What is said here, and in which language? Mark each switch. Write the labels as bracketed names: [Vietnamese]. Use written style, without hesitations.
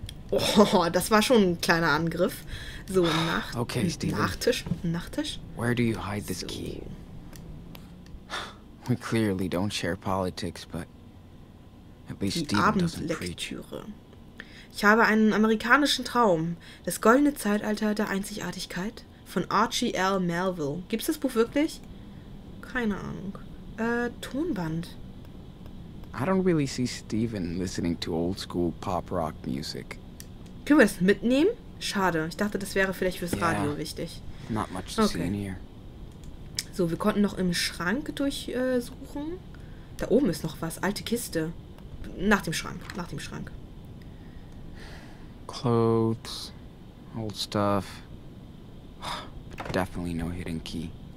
[German] Oh, das war schon ein kleiner Angriff. So, Nachttisch. Nachttisch. [English] Where do you hide this key? We clearly don't share politics, but at least Steven doesn't preach. [German] Ich habe einen amerikanischen Traum. Das goldene Zeitalter der Einzigartigkeit von Archie L. Melville. Gibt's das Buch wirklich? Keine Ahnung. Tonband. [English] I don't really see Steven listening to old school pop rock music. [German] Können wir das mitnehmen? Schade, ich dachte, das wäre vielleicht fürs Radio wichtig. [English] Not much to see in here. [German] So, wir konnten noch im Schrank durchsuchen. Da oben ist noch was, alte Kiste. Nach dem Schrank. [English] Clothes, old stuff. But definitely no hidden key.